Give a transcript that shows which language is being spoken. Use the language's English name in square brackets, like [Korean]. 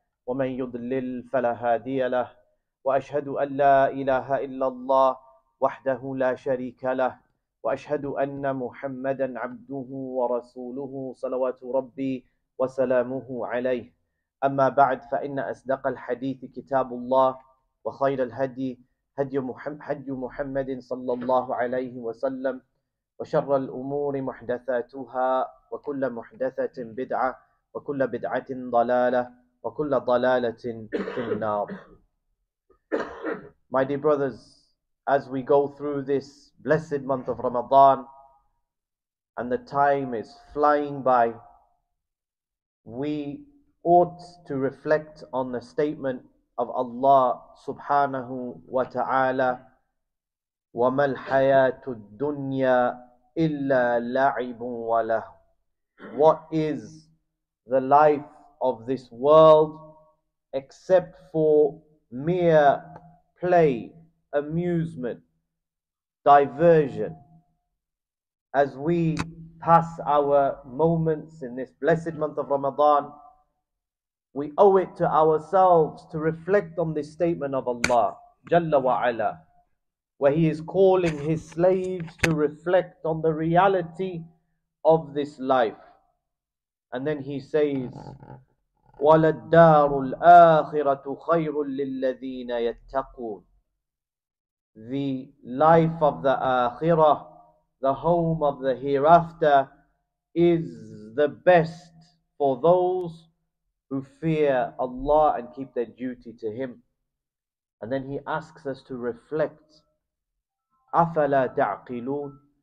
[Arabic] ومن يضلل فلا هادي له وأشهد أن لا إله إلا الله وحده لا شريك له وأشهد أن محمدا عبده ورسوله صلوات ربي وسلامه عليه أما بعد فإن أصدق الحديث كتاب الله وخير الهدي هدي محمد صلى الله عليه وسلم وشر الأمور محدثاتها وكل محدثة بدعة وكل بدعة ضلالة وكل ضلالة في النار. [English] My dear brothers, as we go through this blessed month of Ramadan and the time is flying by, we ought to reflect on the statement of Allah subhanahu wa ta'ala, [Arabic] وَمَا الْحَيَاةُ الدُّنْيَا إِلَّا لَعِبٌ وَلَهُ. [English] What is the life of this world except for mere play, amusement, diversion? As we pass our moments in this blessed month of Ramadan, we owe it to ourselves to reflect on this statement of Allah, Jalla wa Ala, where He is calling His slaves to reflect on the reality of this life. And then He says, [Arabic] وَلَلدَّارُ الْآخِرَةُ خَيْرٌ لِلَّذِينَ يَتَّقُونَ. [English] The life of the Akhirah, the home of the hereafter, is the best for those who fear Allah and keep their duty to Him. And then He asks us to reflect, [Arabic] أَفَلَا تَعْقِلُونَ.